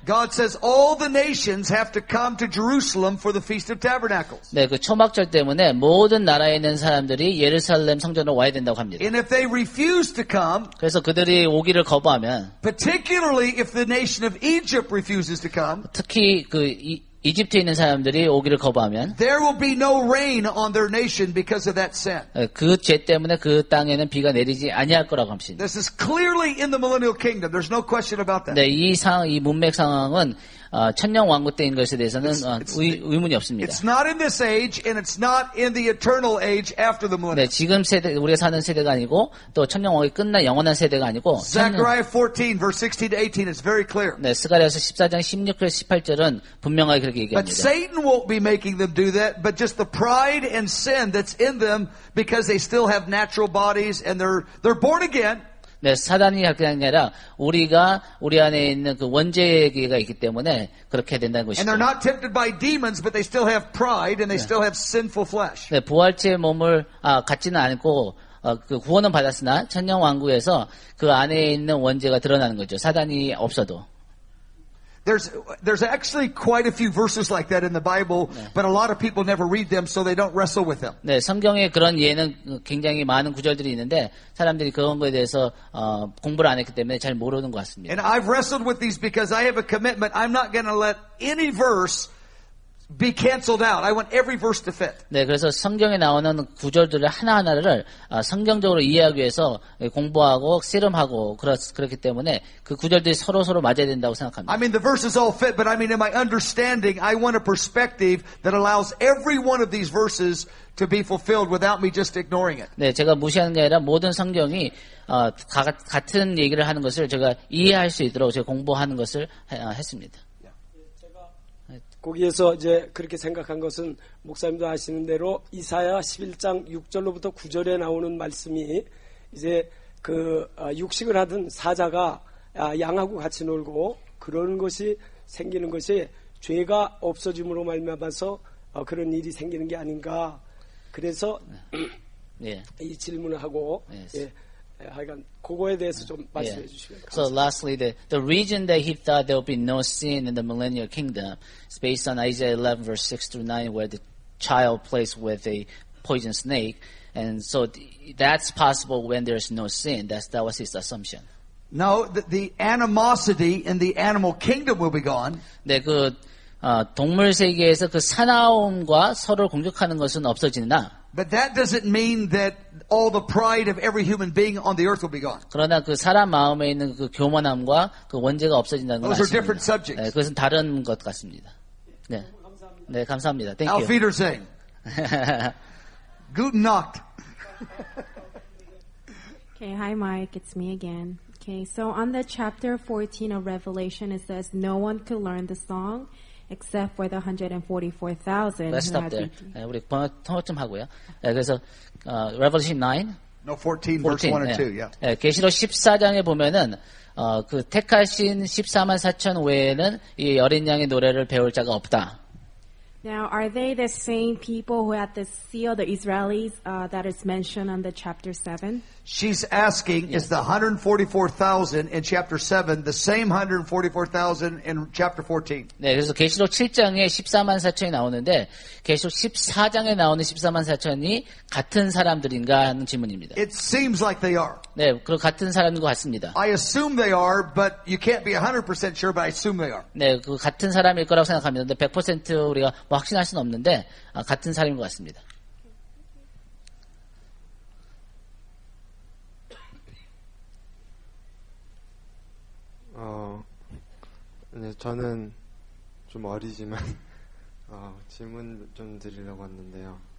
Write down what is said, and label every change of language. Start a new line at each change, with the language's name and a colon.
English: God says all the nations have to come to Jerusalem for the Feast of Tabernacles.
Korean: 네, 그 초막절 때문에 모든 나라에 있는 사람들이 예루살렘 성전으로 와야 된다고 합니다.
English: And if they refuse to come.
Korean: 그래서 그들이 오기를 거부하면.
English: Particularly if the nation of Egypt refuses to come.
Korean: 특히 그 이집트에 있는 사람들이 오기를 거부하면
English: There will be no rain on their nation because of that sin.
Korean: 그 죄 때문에 그 땅에는 비가 내리지 아니할 거라고 합니다.
English: This is clearly in the millennial kingdom. There's no question about that.
Korean: 네, 이 문맥 상황은 천년 왕국 때인 것에 대해서는 의문이 없습니다.
English: It's not in this age and it's not in the eternal age after the millennium.
Korean: 네, 지금 세대 우리가 사는 세대가 아니고 또 천년 왕국이 끝난 영원한 세대가 아니고
English: Zechariah 14 verse 16-18 is very clear.
Korean: 네, 스가랴서 14장 16절 18절은 분명하게 그렇게 얘기합니다.
English: But Satan won't be making them do that but just the pride and sin that's in them because they still have natural bodies and they're born again.
Korean: 네, 사단이 그냥 아니라 우리 안에 있는 그 원죄가 있기 때문에 그렇게 된다는 것이죠.
English: And they're not tempted by demons, but they still have pride and they still have sinful flesh.
Korean: 네, 부활체 몸을 갖지는 않고 그 구원은 받았으나 천년 왕국에서 그 안에 있는 원죄가 드러나는 거죠. 사단이 없어도.
English: There's actually quite a few verses like that in the Bible, 네. but a lot of people never read them, so they don't wrestle with them.
Korean: 네, 성경에 그런 예는 굉장히 많은 구절들이 있는데 사람들이 그런 거에 대해서 공부를 안 했기 때문에 잘 모르는 것 같습니다.
English: And I've wrestled with these because I have a commitment. I'm not going to let any verse be canceled out. I want every verse to fit.
Korean: 네, 그래서 성경에 나오는 구절들을 하나하나를 성경적으로 이해하기 위해서 공부하고 씨름하고 그렇기 때문에 그 구절들이 서로 맞아야 된다고 생각합니다.
English: I mean the verses all fit, but I mean in my understanding, I want a perspective that allows every one of these verses to be fulfilled without me just ignoring it.
Korean: 네, 제가 무시하는 게 아니라 모든 성경이 같은 얘기를 하는 것을 제가 이해할 수 있도록 제가 공부하는 것을 했습니다. 거기에서 이제 그렇게 생각한 것은 목사님도 아시는 대로 이사야 11장 6절로부터 9절에 나오는 말씀이 이제 그 육식을 하던 사자가 양하고 같이 놀고 그런 것이 생기는 것이 죄가 없어짐으로 말미암아서 그런 일이 생기는 게 아닌가 그래서 네. 이 질문을 하고 네. 예.
English: 예, so lastly, the reason that he thought there would be no sin in the millennial kingdom is based on Isaiah 11 verse 6 through 9 where the child plays with a poison snake. And so that's possible when there's no sin. That was his assumption. No, the animosity in the animal kingdom will be gone.
Korean: 네, 그, 동물 세계에서 그 사나움과 서로를 공격하는 것은 없어지나.
English: But that doesn't mean that all the pride of every human being on the earth will be gone.
Korean: 그러나 그 사람 마음에 있는 그 교만함과 그 원죄가 없어진다는 것은
English: Those are different subjects.
Korean: 네, 그것은 다른 것 같습니다. 네. 네, 감사합니다.
English: Thank you.
German: Alf Peterson. Guten Nacht.
English: Okay, hi Mike, it's me again. Okay, so on the chapter 14 of Revelation it says no one could learn the song. Except for the 144,000. Let's stop there.
Korean: 네, 우리 통역 좀 하고요. 네, 그래서 Revelation 9.
English: No, 14, 14 verse 1 and 2.
Korean: 네, 계시록 14장에 보면은 그 택하신 14만 4천 외에는 이 어린 양의 노래를 배울 자가 없다.
English: Now, are they the same people who had the seal, the Israelis, that is mentioned on the chapter 7? She's asking, yes. is the 144,000 in chapter 7 the same 144,000 in chapter 14?
Korean: 네, 그래서 계시록 7장에 14만 4천이 나오는데 계시록 14장에 나오는 14만 4천이 같은 사람들인가 하는 질문입니다.
English: It seems like they are.
Korean: 네, 그리고 같은 사람인 것 같습니다.
English: I assume they are, but you can't be 100% sure, but I assume they are.
Korean: 네, 그 같은 사람일 거라고 생각합니다. 근데 100% 우리가 뭐 확신할 수는 없는데 같은 사람인 것 같습니다.
English: Okay.
Korean: 저는 좀 어리지만 질문 좀 드리려고 왔는데요.